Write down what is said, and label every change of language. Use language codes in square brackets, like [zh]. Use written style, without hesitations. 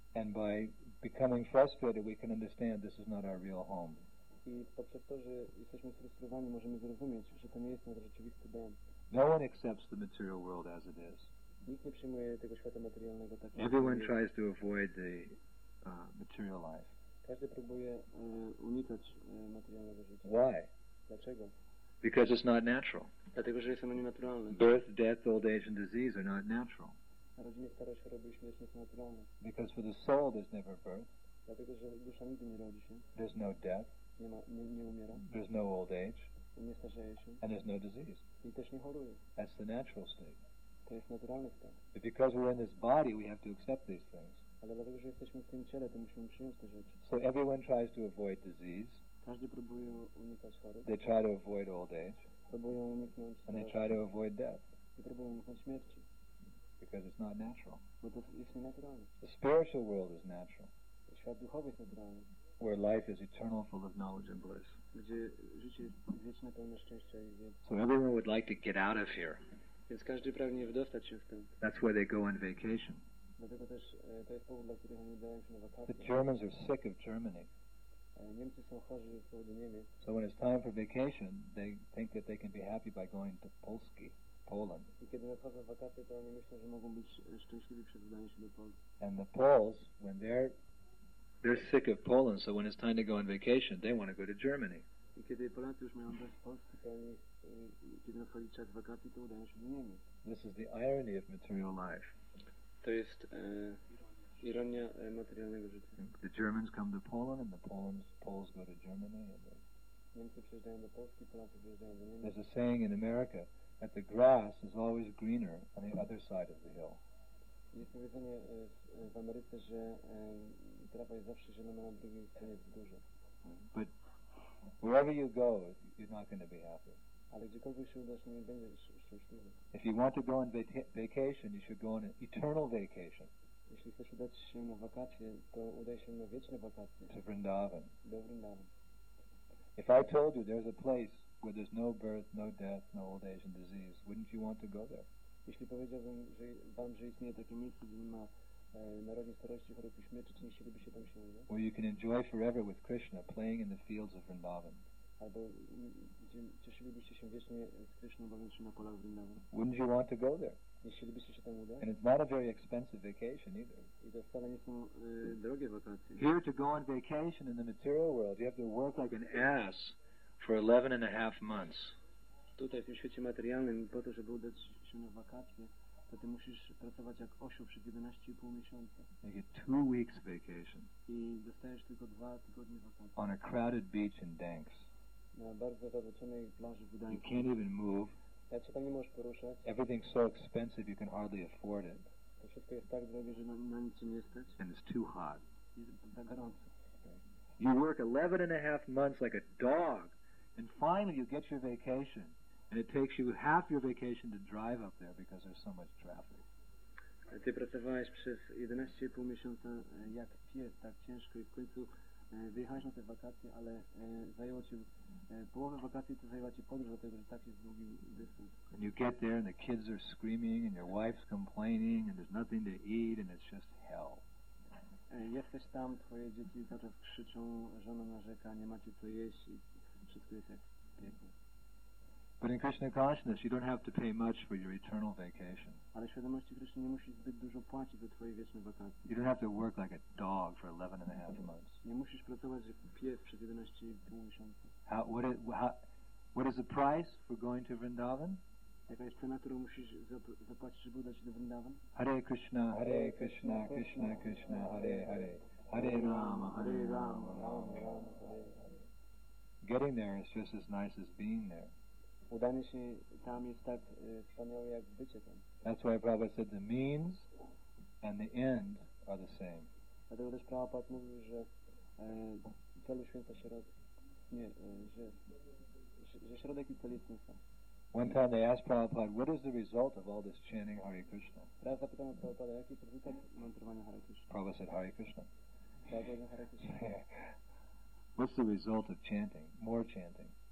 [en] And by becoming frustrated, we can understand this is not our real home. [pl] I poprzez to, że jesteśmy frustrowani, możemy zrozumieć, że to nie jest nasz rzeczywisty dom. [en] No one accepts the material world as it is. [pl] Nikt nie przyjmuje tego świata materialnego tak. [en] Everyone tries to avoid the material life. [pl] Każdy próbuje unikać materialnego życia. [en] Why? [pl] Dlaczego? [en] Because it's not natural. [pl] Dlatego, że jest ono nienaturalne. [en] Birth, death, old age and disease are not natural. [pl] Narodziny, starość, choroby i śmierć nie są naturalne. [en] Because for the soul there's never birth. [pl] Dlatego, że dusza nigdy nie rodzi się. [en] There's no death. [pl] Nie umiera. [en] There's no old age. [pl] Nie starzeje się. [en] And there's no disease. [pl] I też nie choruje. [en] That's the natural state. [pl] To jest naturalny stan. [en] But because we're in this body, we have to accept these things. [pl] Ale dlatego, że jesteśmy w tym ciele, to musimy przyjąć te rzeczy. [en] So everyone tries to avoid disease. [pl] Każdy próbuje unikać choroby. [en] They try to avoid old age. [pl] Próbują uniknąć starości. [en] And they try to avoid death. [pl] I próbują uniknąć śmierci. [en] Because it's not natural. [pl] Bo to jest nienaturalne. [en] The spiritual world is natural. [pl] Świat duchowy jest naturalny. [en] Where life is eternal, full of knowledge and bliss. [pl] Gdzie życie wieczne, pełne szczęścia i wiedzy. [en] So everyone would like to get out of here. [pl] Więc każdy pragnie wydostać się stąd. [en] That's where they go on vacation. [pl] Dlatego też to jest powód, dla którego oni udają się na wakacje. [en] The Germans are sick of Germany. [pl] Niemcy są chorzy z powodu Niemiec. [en] So when it's time for vacation, they think that they can be happy by going to Polski, Poland. [pl] I kiedy nadchodzą wakacje, to oni myślą, że mogą być szczęśliwi przed udaniem się do Polski. [en] And the Poles, when they're sick of Poland, so when it's time to go on vacation, they want to go to Germany. [pl] I kiedy Polacy już mają dość Polski, to oni, kiedy nadchodzi czas wakacji, to udają się do Niemiec. [en] This is the irony of material life. [pl] To jest ironia materialnego życia. [en] The Germans come to Poland and the Poles go to Germany. [pl] Niemcy przyjeżdżają do Polski, Polacy przyjeżdżają do Niemiec. [en] There's a saying in America that the grass is always greener on the other side of the hill. [pl] Jest powiedzenie w Ameryce, że trawa jest zawsze zielona na drugiej stronie wzgórza. [en] But wherever you go, you're not going to be happy. [pl] Ale gdziekolwiek się udasz, nie będziesz szczęśliwy. [en] If you want to go on vacation, you should go on an eternal vacation. [pl] Jeśli chcesz udać się na wakacje, to udaj się na wieczne wakacje. [en] To Vrindavan. [pl] Do Vrindavan. [en] If I told you there's a place where there's no birth, no death, no old age and disease, wouldn't you want to go there? [pl] Jeśli powiedziałbym że wam, że istnieje takie miejsce, gdzie nie ma narodzin, starości, choroby i śmierci, czy nie chcieliby się tam się udać? [en] Where you can enjoy forever with Krishna playing in the fields of Vrindavan. [pl] Albo cieszylibyście się wiecznie z Krishną bawiąc się na polach Vrindavan. [en] Wouldn't you want to go there? [pl] Nie chcielibyście się tam udać? [en] And it's not a very expensive vacation either. [pl] I to wcale nie są drogie wakacje. [en] Here to go on vacation in the material world, you have to work like an ass for 11 and a half months. [pl] Tutaj w tym świecie materialnym po to, żeby udać się na wakacje, to ty musisz pracować jak osioł przez 11,5 miesiąca. [en] You get 2 weeks vacation. [pl] I dostajesz tylko 2 tygodnie wakacji. [en] On a crowded beach in Danks. [pl] Na bardzo zatłoczonej plaży w Danks. [en] You can't even move. [pl] Tak się tam nie możesz poruszać. [en] Everything's so expensive you can hardly afford it. [pl] To wszystko jest tak drogie, że na nic nie stać. [en] And it's too hot. [pl] Jest za gorąco. [en] You work 11 and a half months like a dog and finally you get your vacation. And it takes you half your vacation to drive up there because there's so much traffic. [pl] Ty pracowałeś przez 11,5 miesiąca jak pies, tak ciężko i w końcu wyjechałeś na te wakacje, ale zajęło ci połowę wakacji, to zajęła ci podróż, dlatego że tak jest długi dystans. [en] And you get there and the kids are screaming and your wife's complaining and there's nothing to eat and it's just hell. [pl] Jesteś tam, twoje dzieci cały czas krzyczą, żona narzeka, nie macie co jeść i wszystko jest jak piekło. [en] But in Krishna consciousness, you don't have to pay much for your eternal vacation. [pl] Ale świadomości Krishna nie musisz zbyt dużo płacić za twoje wieczne wakacje. [en] You don't have to work like a dog for 11 and a half months. [pl] Nie musisz pracować jak pies przez 11,5 miesiąca. [en] What is the price for going to Vrindavan? [pl] Jaka jest cena, którą musisz zapłacić, żeby udać się do Vrindavan? [sa] Hare Krishna, Krishna Krishna, Hare Hare, Hare Rama, Hare Rama, Rama Rama, Hare Hare. [en] Getting there is just as nice as being there. [pl] Udanie się tam jest tak wspaniałe jak bycie tam. [en] That's why Prabhupada said the means and the end are the same. [pl] Dlatego też Prabhupada mówił, że cel święta środek, nie, że środek i cel jest ten sam. [en] One time they asked Prabhupada, what is the result of all this chanting Hare Krishna? [pl] Raz zapytano Prabhupada, jaki jest rezultat mantrowania Hare Krishna? [en] Prabhupada said Hare Krishna. [pl] Prabhupada Hare Krishna. [en] What's the result of chanting, more chanting?